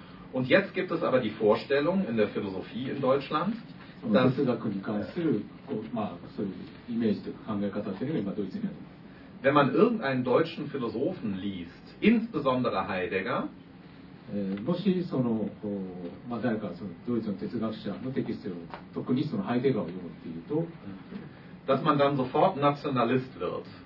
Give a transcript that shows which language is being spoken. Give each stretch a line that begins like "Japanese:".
German: Und jetzt gibt es aber die Vorstellung in der Philosophie in Deutschland, dass, wenn man irgendeinen deutschen Philosophen liest, insbesondere Heidegger,
Japanese: もしその、まあ、誰かそのドイツの哲学者のテキストを特にそのハイデガーを読むっていうと、
German: dass man dann sofort Nationalist wird.